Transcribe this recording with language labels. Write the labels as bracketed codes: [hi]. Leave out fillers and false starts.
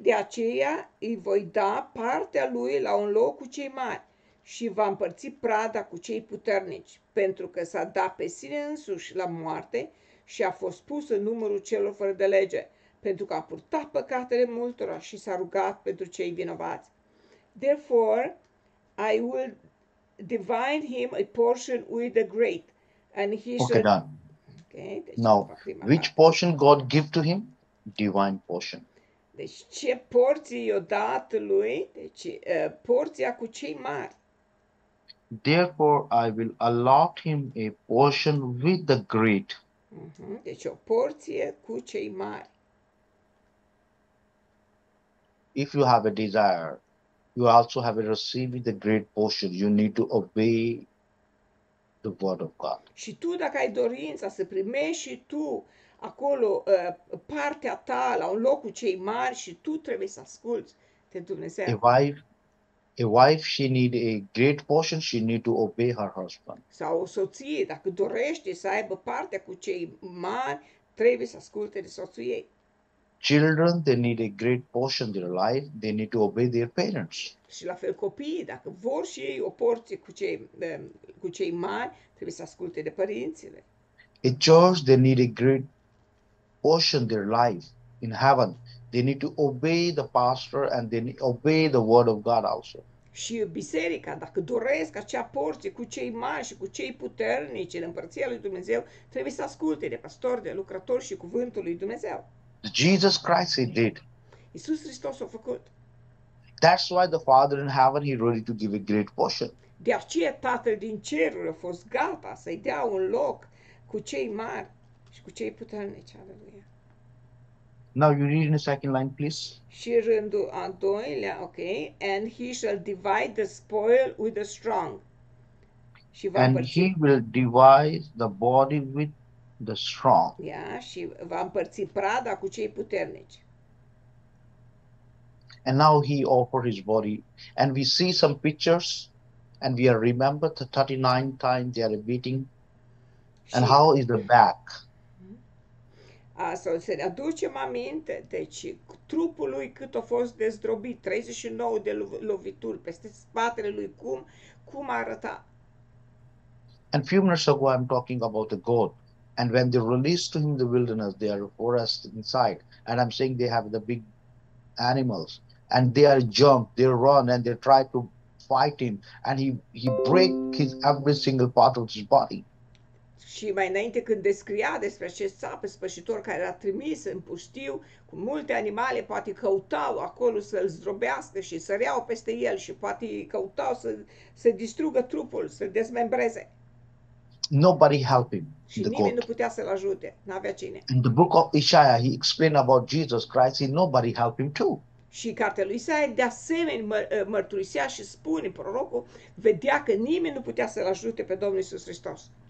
[ro] De aceea îi voi da partea lui la un loc cu cei mari și va împărți prada cu cei puternici, pentru că s-a dat pe sine însuși la moarte și a fost pus în numărul celor fără de lege, pentru că a purtat păcatele multora și s-a rugat pentru cei vinovați. [en] Therefore, I will divide him a portion with the great, and he shall... Okay, done. Okay, deci now, which portion God give to him? Divine portion. [ro] Deci ce porție i-a dat lui? Deci porția cu cei mari. [en] Therefore, I will allot him a portion with the great. [ro] Deci o porție cu cei mari. [en] If you have a desire, you also have received the great portion. You need to obey the word of God. [ro] Și tu dacă ai dorința să primești și tu acolo partea ta la un loc cu cei mari și tu trebuie să asculți de Dumnezeu. [en] A wife, she need a great portion, she need to obey her husband. [ro] Sau o soție, dacă dorește să aibă partea cu cei mari, trebuie să asculte de soțul ei. [en] Children, they need a great portion of their life, they need to obey their parents. [ro] Și la fel copiii, dacă vor și ei o porție cu cei mari, trebuie să asculte de părinții. [en] A church, they need a great portion of their life in heaven. They need to obey the pastor and they need to obey the word of God also. [ro] Și biserica, dacă doresc acea porție cu cei mari și cu cei puternici în împărăția lui Dumnezeu, trebuie să asculte de pastor, de lucrător și cuvântul lui Dumnezeu. [en] Jesus Christ, he did. [ro] Iisus Hristos a făcut. [en] That's why the Father in heaven, he ready to give a great portion. [ro] De aceea Tatăl din ceruri a fost gata să-i dea un loc cu cei mari și cu cei puternici. Aleluia. [en] Now you read in the second line, please. [ro] Și rândul a doilea, [en] ok, and he shall divide the spoil with the strong. [ro] Și va [en] and [ro] împărți. [en] He will divide the body with the strong. [ro] Yeah, și va împărți prada cu cei puternici. [en] And now he offered his body. And we see some pictures, and we are remembered the 39 times they are beating. And how is the back? [ro] Asta se aducem aminte, deci trupul lui cât a fost dezdrobit, 39 de lovituri peste spatele lui, cum arăta? [en] And few minutes ago I'm talking about the goat. And when they released to him the wilderness, they are forest inside. And I'm saying they have the big animals. And they are jump, they run, and they try to fight him. And he break his every single part of his body. [ro] Și mai înainte când descria despre acest țap spășitor care l-a trimis în pustiu, cu multe animale, poate căutau acolo să-l zdrobească și săreau peste el și poate căutau să distrugă trupul, să-l dezmembreze. [en] Nobody help him. [ro] Și [en] the [ro] nimeni [en] goat. [ro] Nu putea să-l ajute, n-avea cine. [en] In the book of Isaiah, he explained about Jesus Christ, he nobody help him too. [ro] Și cartea lui Isaia de asemenea mărturisea și spune, prorocul vedea că nimeni nu putea să-l ajute pe Domnul Iisus Hristos.